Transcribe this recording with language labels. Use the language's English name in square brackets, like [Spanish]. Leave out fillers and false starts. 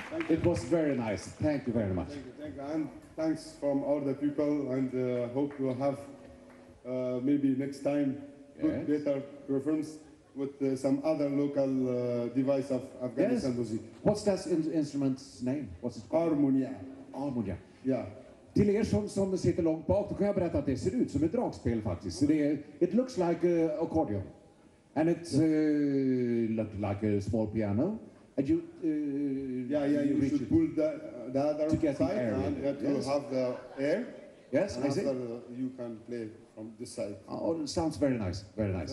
[English] It was very nice. Thank you very much. Thank you. And thanks from all the people, and hope we'll have maybe next time good, better performance with some other local device of Afghanistan music. What's that instrument's name? What's it called? Harmonia. Harmonia. Yeah. [Swedish] Till er som sitter långt bak, då kan jag berätta att det ser ut som ett dragspel faktiskt. Så det är, [English] it looks like an accordion. And it looks like a small piano. And you, you should pull the other to get side the air and to have the air. Yes, and I see. You can play from this side. Oh, it sounds very nice, very nice.